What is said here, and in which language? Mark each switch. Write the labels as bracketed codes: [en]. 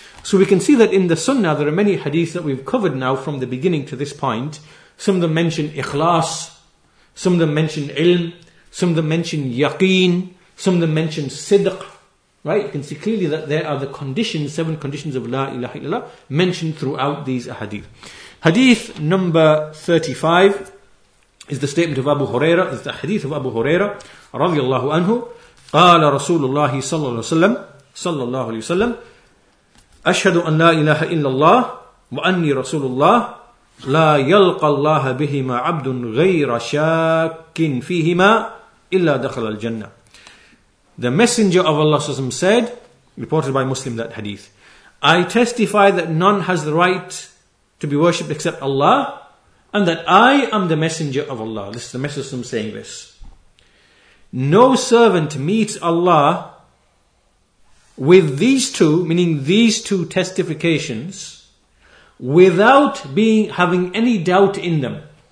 [en] So we can see that in the sunnah, there are many hadiths that we've covered now from the beginning to this point. Some of them mention ikhlas. Some of them mention ilm. Some of them mention yaqeen. Some of them mention sidq. Right? You can see clearly that there are the conditions, seven conditions of la ilaha illallah mentioned throughout these hadith. Hadith number 35 is the statement of Abu Huraira, is the hadith of Abu Huraira, radiallahu anhu, [ar] قال رسول الله صلى الله عليه وسلم أشهد أن لا إله إلا الله وأني رسول الله لا يلقى الله بهما عبد غير شاك فيهما إلا دخل الجنة. [en] The Messenger of Allah said, reported by Muslim that hadith, I testify that none has the right to be worshipped except Allah, and that I am the Messenger of Allah. This is the Messenger saying this. No servant meets Allah with these two, meaning these two testifications, without having any doubt in them.